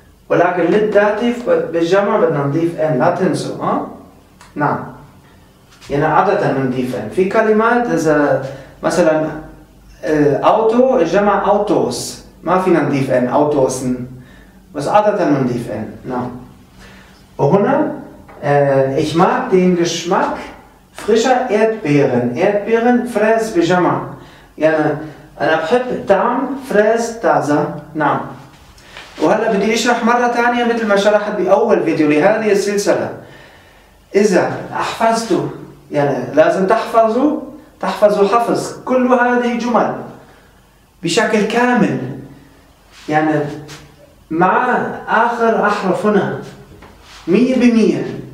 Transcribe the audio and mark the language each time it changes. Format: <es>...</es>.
<ar>ولكن للداتيف بالجمع بدنا نضيف ان، لا تنسوا. نعم، يعني عادة نضيف ان. في كلمات إذا مثلا الأوتو جمع أوتوس، ما فينا نضيف ان أوتوسن، بس عادة نضيف ان. نعم، وهنا</ar> <de>ich mag den Geschmack frischer Erdbeeren.</de> <ar>Erdbeeren فريز بجمع، يعني أنا بحب طعم فريز طازة. نعم، وهلا بدي أشرح مرة ثانية مثل ما شرحت بأول فيديو لهذه السلسلة. إذا أحفظتوا، يعني لازم تحفظوا، تحفظوا حفظ كل هذه الجمل بشكل كامل، يعني مع آخر أحرف هنا 100%.</ar>